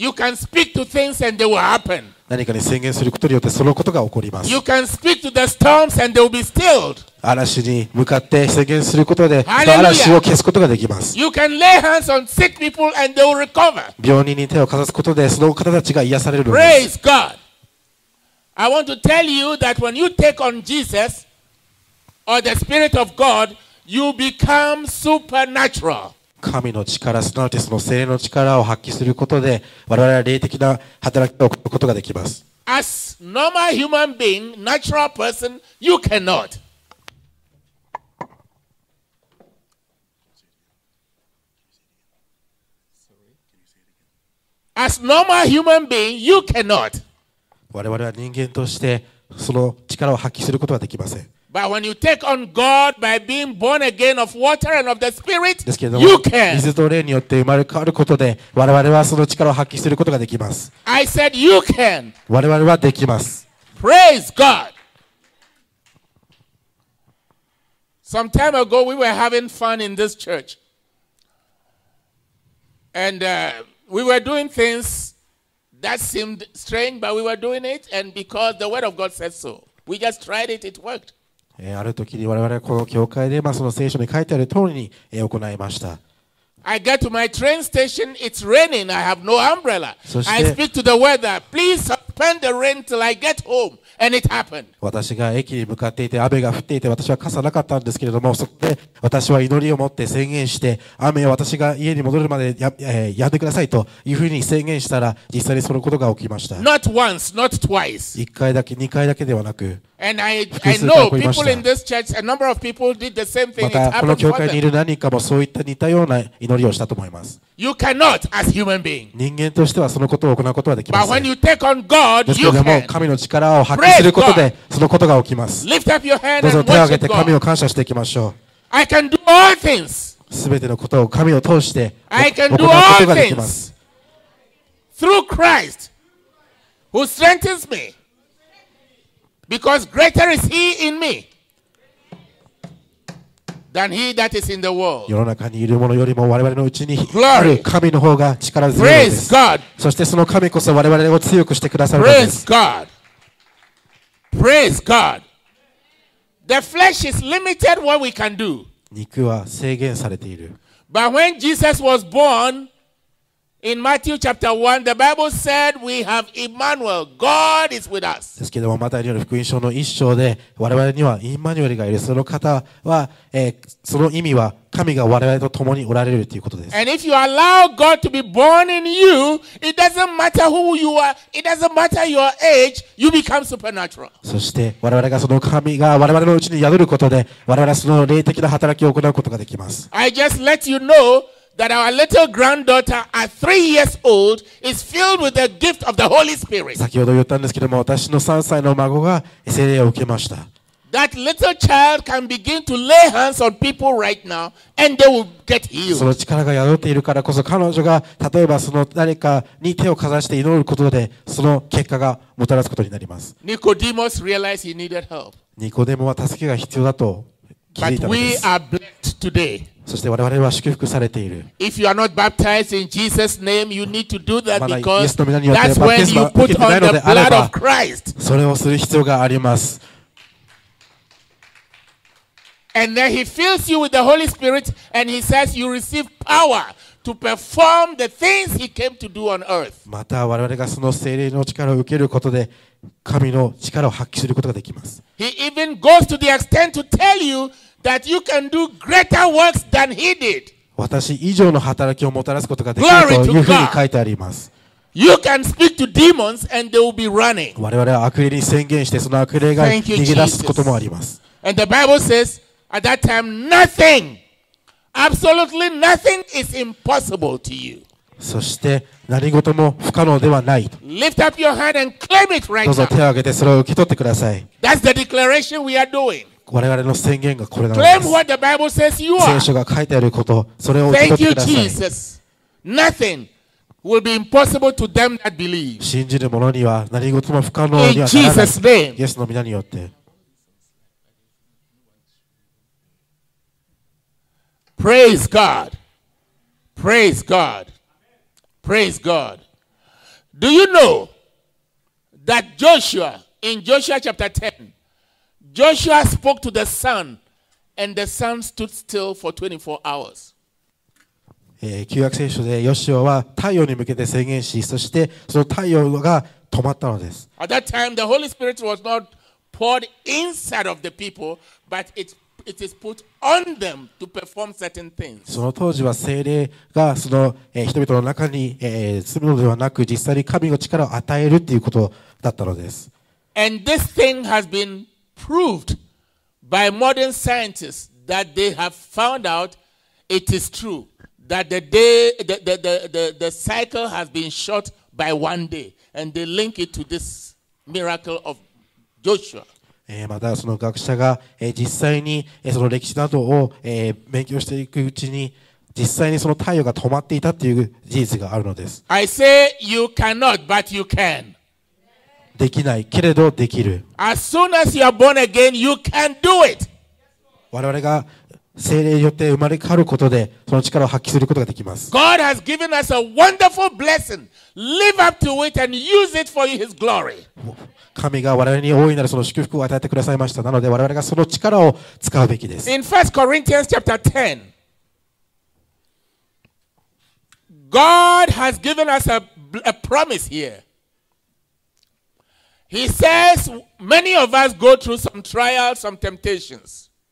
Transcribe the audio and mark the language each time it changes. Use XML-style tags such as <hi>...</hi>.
<en>You can speak to things and they will happen.</en> <ja>何かに宣言することによってそのことが起こります。</ja> <en>You can speak to the storms and they will be stilled.</en> <ja>嵐に向かって宣言することで、嵐を消すことができます。</ja> <en>You can lay hands on sick people and they will recover.</en> <ja>病人に手をかざすことでその方たちが癒されるのです。</ja> <en>Praise God! I want to tell you that when you take on Jesus,Or the Spirit of God, you become supernatural.</en> <ja>神の力、すなわちその聖霊の力を発揮することで、我々は霊的な働きを行うことができます。</ja> <en>As normal human being, natural person, you cannot. As normal human being, you cannot.</en> <ja>我々は人間としてその力を発揮することはできません。</ja> <en>But when you take on God by being born again of water and of the Spirit, you can.</en> <ja>水と霊によって生まれ変わることで、我々はその力を発揮することができます。</ja> <en>I said you can.</en> <ja>我々はできます。</ja> <en>Praise God. Some time ago, we were having fun in this church. And we were doing things that seemed strange, but we were doing it, and because the word of God said so, we just tried it, it worked.</en> <ja>ある時に我々はこの教会で、まあ、その聖書に書いてある通りに行いました。</ja> <en>I get to my train station, it's raining, I have no umbrella. I speak to the weather, please suspend the rain till I get home. And it happened.</en> <ja>私が駅に向かっていて雨が降っていて私は傘なかったんですけれども、そこで私は祈りを持って宣言して、雨を私が家に戻るまでやんでくださいというふうに宣言したら、実際にそのことが起きました。</ja> <en>Not once, not twice.</en> <ja>1回だけ、2回だけではなく、またこの教会にいる何人かもそういった似たような祈りをしたと思います。</ja> <en>You cannot, as human being.</en> <ja>人間としてはそのことを行うことはできません。</ja> <en>But when you take on God,</en> <ja>ですけれども、神の力を発揮することでそのことが起きます。</ja> <en>Lift up your hand and</en> <ja>どうぞ手を挙げて神を感謝していきましょう。</ja> <en>I can do all things.</en> <ja>全てのことを神を通して行うことができます。</ja> <en>Through Christ, who strengthens me. Because greater is he in me than he that is in the world.</en> <ja>世の中にいるものよりも我々のうちにある神の方が力強いです。</ja> <en>Praise God.</en> <ja>そしてその神こそ我々を強くしてくださるんです。</ja> <en>Praise God. Praise God. The flesh is limited what we can do.</en> <ja>肉は制限されている。</ja> <en>But when Jesus was born in Matthew chapter 1, the Bible said we have Emmanuel, God is with us.</en> <ja>ですけども、マタイによる福音書の一章で我々にはイマニュエルがいる。その方は、その意味は神が我々と共におられるということです。</ja> <en>And if you allow God to be born in you, it doesn't matter who you are, it doesn't matter your age, you become supernatural.</en> <ja>そして我々がその神が我々のうちに宿ることで、我々はその霊的な働きを行うことができます。</ja> <en>I just let you know,That our little granddaughter at 3 years old is filled with the gift of the Holy Spirit.</en> <ja>先ほど言ったんですけども、私の3歳の孫が聖霊を受けました。</ja> <en>That little child can begin to lay hands on people right now and they will get healed.</en> <ja>その力が宿っているからこそ、彼女が例えばその誰かに手をかざして祈ることで、その結果がもたらすことになります。</ja> <en>Nicodemus realized he needed help.</en> <ja>ニコデモは助けが必要だと気づいたのです。</ja> <en>But we are blessed today.</en> <ja>そして我々は祝福されている。</ja> <en>If you are not baptized in Jesus' name, you need to do that because that's when you put on the blood of Christ.</en> <ja>それをする必要があります。</ja> <en>And then he fills you with the Holy Spirit and he says you receive power to perform the things he came to do on earth.</en> <ja>また我々がその聖霊の力を受けることで神の力を発揮することができます。</ja> <en>He even goes to the extent to tell youThat you can do greater works than he did.</en> <ja>私以上の働きをもたらすことができるというふうに書いてあります。</ja> <en>You can speak to demons and they will be running.</en> <ja>我々は悪霊に宣言してその悪霊が逃げ出すこともあります。</ja> <en>And the Bible says, at that time, nothing, absolutely nothing is impossible to you.</en> <ja>そして何事も不可能ではない。</ja> <en>Lift up your hand and claim it right now.</en> <ja>どうぞ手を挙げてそれを受け取ってください。</ja> <en>That's the declaration we are doing.</en> <ja>我々の宣言がこれなんです。聖書が書いてあること、それを受け取ってください。</ja> <en>Thank you, Jesus. Nothing will be impossible to them that believe.</en> <ja>信じる者には何事も不可能にはならない。</ja> <en>In Jesus' name.</en> <ja>イエスの名によって。</ja> <en>Praise God. Praise God. Praise God. Do you know that Joshua, in Joshua chapter 10,Joshua spoke to the sun, and the sun stood still for 24 hours.</en> <ja>旧約聖書でヨシュアは太陽に向けて宣言し、そしてその太陽が止まったのです。</ja> <en>At that time, the Holy Spirit was not poured inside of the people, but it is put on them to perform certain things.</en> <ja>その当時は聖霊がその人々の中に住むのではなく、実際に神の力を与えるということだったのです。</ja> <en>And this thing has beenproved by modern scientists that they have found out it is true that the cycle has been short by one day and they link it to this miracle of Joshua.</en> <ja>またその学者が実際にその歴史などを勉強していくうちに実際にその太陽が止まっていたという事実があるのです。</ja> <en>I say you cannot but you can</en> <ja>できないけれどできる。</ja> <en>As soon as you are born again, you can do it.</en> <ja>我々が聖霊によって生まれ変わることでその力を発揮することができます。</ja> <en>God has given us a wonderful blessing. Live up to it and use it for His glory.</en> <ja>神が我々に大いなるその祝福を与えてくださいました。なので我々がその力を使うべきです。</ja> <en>In 1 Corinthians chapter 10, God has given us a promise here. He says many of us go through some trials, some temptations.</en>